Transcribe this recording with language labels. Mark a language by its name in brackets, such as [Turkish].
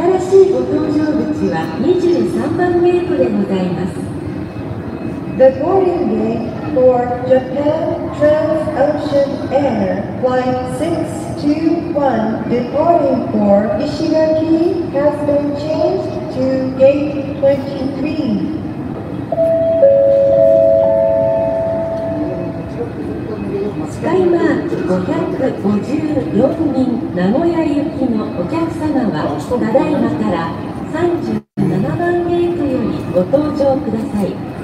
[Japanese] 新しいご搭乗口は23番ゲートでございます。 [English] The boarding gate for Japan Transocean Air Flight 621 departing for 石垣 has been changed to gate 23. [Japanese] スカイマーク554便名古屋行きのお客様はただいまから37番ゲートよりご搭乗ください。